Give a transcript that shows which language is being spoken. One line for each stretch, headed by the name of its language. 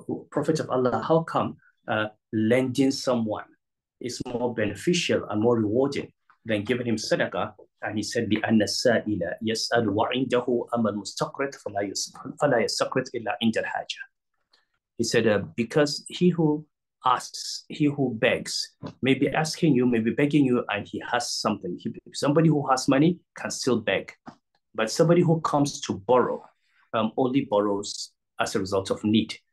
English: Prophet of Allah, how come lending someone is more beneficial and more rewarding than giving him sadaqah? And he said,
Arabic: لِأَنَّ السَّائِلَ يَسْأَلُ وَعِنْدَهُ أَمَّ الْمُسْتَقْرِطِ فَلَا يَسْتَقْرِطْ إِلَّا عِنْدَ الْحَاجَةِ.
English: He said, because he who asks, he who begs, may be asking you, may be begging you, and he has something. Somebody who has money can still beg. But somebody who comes to borrow only borrows as a result of need.